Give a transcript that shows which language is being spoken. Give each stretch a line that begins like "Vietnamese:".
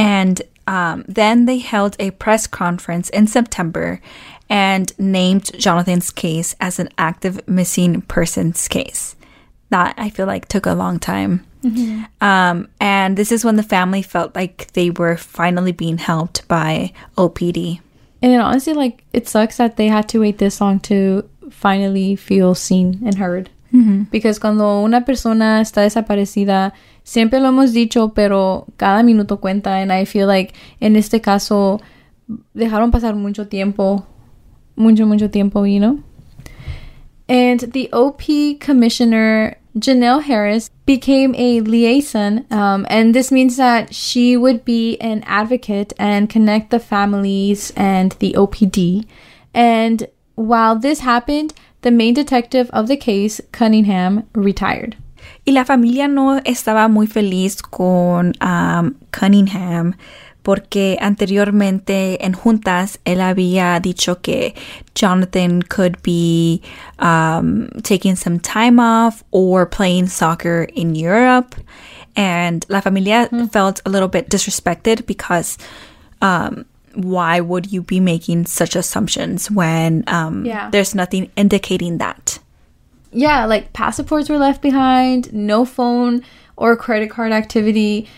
English: And then they held a press conference in September and named Jonathan's case as an active missing persons case. That, I feel like, took a long time. Mm-hmm. And this is when the family felt like they were finally being helped by OPD. And honestly, like, it sucks that they had to wait this long to finally feel seen and heard. Mm-hmm.
Spanish: Because cuando una persona está desaparecida, siempre lo hemos dicho, pero cada minuto cuenta.
English: And I feel like
Spanish: en este caso, dejaron pasar mucho tiempo. Mucho, mucho tiempo,
English: you know? And the OP commissioner, Janelle Harris, became a liaison. And this means that she would be an advocate and connect the families and the OPD. And while this happened, the main detective of the case, Cunningham, retired.
Spanish: Y la familia no estaba muy feliz con Cunningham porque anteriormente en juntas él había dicho que Jonathan
English: could be taking some time off or playing soccer in Europe. And
Spanish: la familia
English: felt a little bit disrespected because why would you be making such assumptions when there's nothing indicating that? Yeah, like passports were left behind, no phone or credit card activity.